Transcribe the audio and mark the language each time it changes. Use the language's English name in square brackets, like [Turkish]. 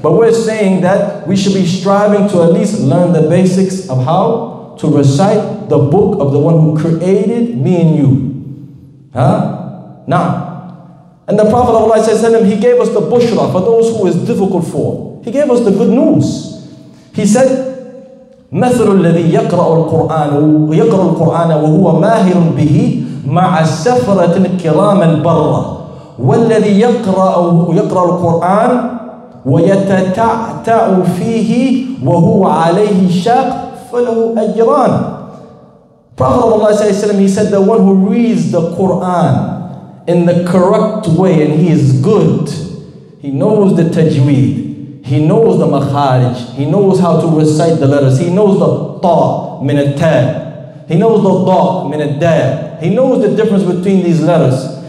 [English] But we're saying that we should be striving to at least learn the basics of how to recite the book of the one who created me and you. Huh? Now. And the Prophet of Allah, he gave us the bushra for those who is difficult for. He gave us the good news. He said, [Arabic] مَثَلُ الَّذِي يَقْرَأُ الْقُرْآنَ وَهُوَ مَاهِرٌ بِهِ مع السفرة الكرام البرة والذي يقرأ القرآن ويتتعتع فيه وهو عليه شاق فله أجران. [English] Prophet of Allah said, he said, the one who reads the Quran in the correct way and he is good, he knows the tajweed, he knows the makharij, he knows how to recite the letters, he knows the ta min ta, he knows the da min da, he knows the difference between these letters.